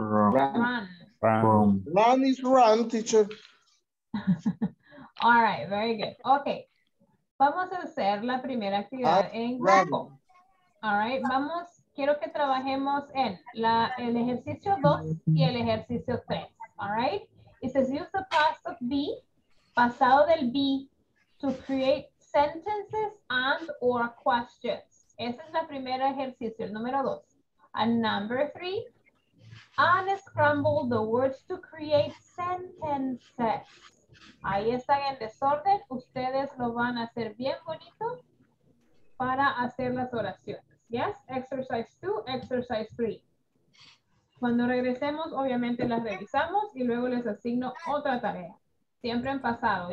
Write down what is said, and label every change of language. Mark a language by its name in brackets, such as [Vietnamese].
[English] Run is run, teacher. All right, very good. [Spanish] Okay, vamos a hacer la primera actividad en grupo. All right, vamos. Quiero que trabajemos en el ejercicio 2 y el ejercicio 3. [English] All right. It says use the past of be, [Spanish] pasado del be, [English] to create sentences and or questions. [Spanish] Ese es el primer ejercicio, el número 2. [English] And number 3, unscramble the words to create sentences. [Spanish] Ahí están en desorden. Ustedes lo van a hacer bien bonito para hacer las oraciones. [English] Yes, exercise 2, exercise 3. [Spanish] Cuando regresemos, obviamente las revisamos y luego les asigno otra tarea. Siempre en pasado.